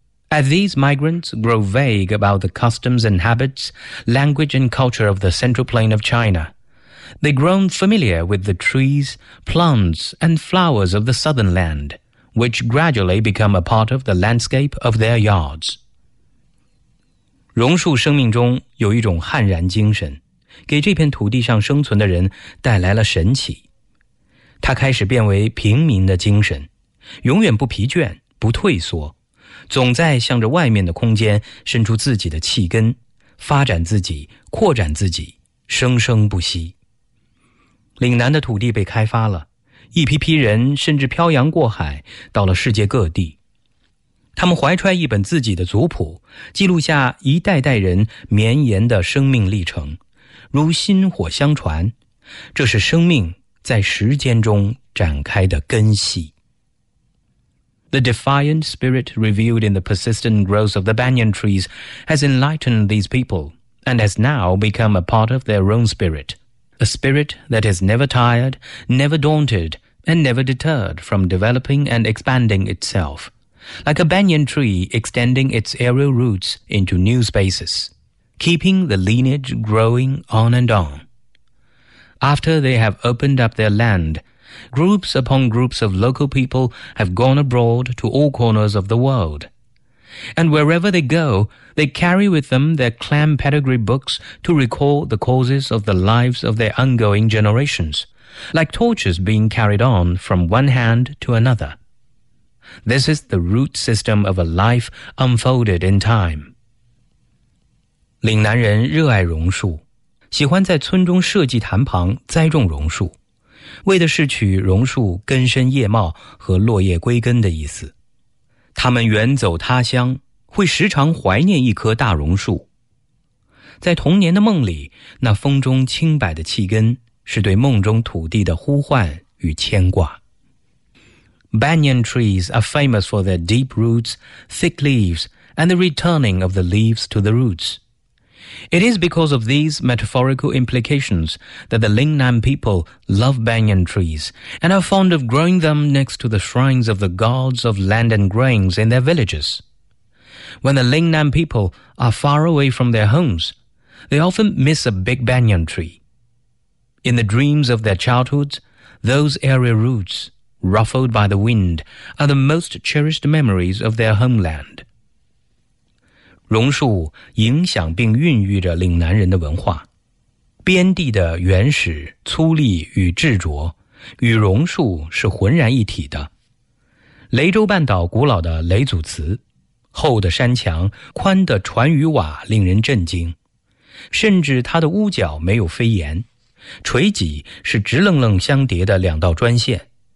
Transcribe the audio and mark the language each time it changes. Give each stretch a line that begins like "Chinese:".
English: As these migrants grow vague about the customs and habits, language and culture of the central plain of China,They've grown familiar with the trees, plants, and flowers of the southern land, which gradually become a part of the landscape of their yards.
Chinese: 榕树生命中有一种悍然精神，给这片土地上生存的人带来了神奇。它开始变为平民的精神，永远不疲倦，不退缩，总在向着外面的空间伸出自己的气根，发展自己，扩展自己，生生不息。岭南的土地被开发了，一批批人甚至漂洋过海到了世界各地。他们怀揣一本自己的族谱，记录下一代代人绵延的生命历程，如薪火相传，这是生命在时间中展开的根系。
English: The defiant spirit revealed in the persistent growth of the banyan trees has enlightened these people and has now become a part of their own spirit. A spirit that is never tired, never daunted, and never deterred from developing and expanding itself, like a banyan tree extending its aerial roots into new spaces, keeping the lineage growing on and on. After they have opened up their land, groups upon groups of local people have gone abroad to all corners of the world. And wherever they go,They carry with them their clan pedigree books to recall the causes of the lives of their ongoing generations, like torches being carried on from one hand to another. This is the root system of a life unfolded in time.
Chinese: 岭南人热爱榕树，喜欢在村中社稷坛旁栽种榕树，为的是取榕树根深叶茂和落叶归根的意思。他们远走他乡，会时常怀念一棵大榕树。在童年的梦里，那风中清白的气根是对梦中土地的呼唤与牵挂。
English: Banyan trees are famous for their deep roots, thick leaves, and the returning of the leaves to the roots. It is because of these metaphorical implications that the Lingnan people love banyan trees and are fond of growing them next to the shrines of the gods of land and grains in their villages. When the Lingnan people are far away from their homes, they often miss a big banyan tree. In the dreams of their childhoods, those aerial roots, ruffled by the wind, are the most cherished memories of their homeland.
Chinese: 榕树影响并孕育着岭南人的文化。边地的原始、粗粝与执着与榕树是浑然一体的。雷州半岛古老的雷祖祠厚的山墙，宽的船与瓦令人震惊，甚至它的屋角没有飞檐，垂脊是直愣愣相叠的两道砖线。